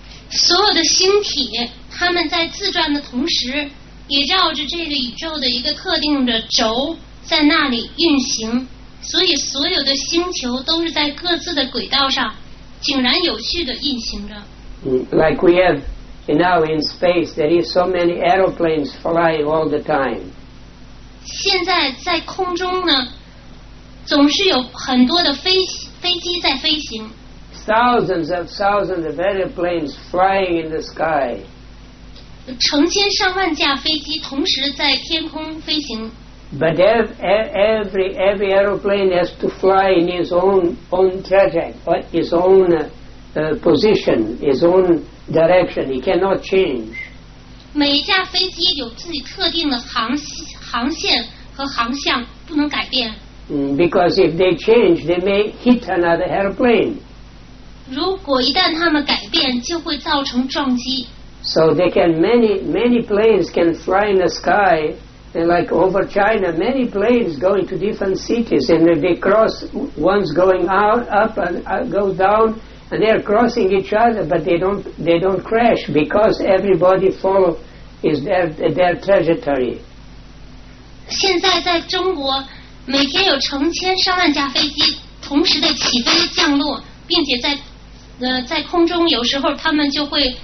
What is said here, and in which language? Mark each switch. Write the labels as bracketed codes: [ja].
[zh] 所有的星体，它们在自转的同时，也绕着这个宇宙的一个特定的轴在那里运行。所以，所有的星球都是在各自的轨道上井然有序的运行着。 [en] Like we have. And now in space, there is so many aeroplanes flying all the time. [zh] 现在在空中呢，总是有很多的飞机在飞行。 [en] Thousands of aeroplanes flying in the sky. [zh] 成千上万架飞机同时在天空飞行。 [en] But every aeroplane has to fly in his own trajectory, his own position, his own direction. He cannot change. [zh] 每一架飞机有自己特定的航线和航向，不能改变。 [en] Because if they change, they may hit another airplane. [zh] 如果一旦他们改变，就会造成撞击。 [en] So they can many planes can fly in the sky, and like over China, many planes going to different cities, and they cross, one's going out, up and go down, and they are crossing each other, but they don't crash because everybody follow is their trajectory. [zh] 现在在中国，每天有成千上万架飞机同时的起飞降落，并且在空中，有时候他们就会。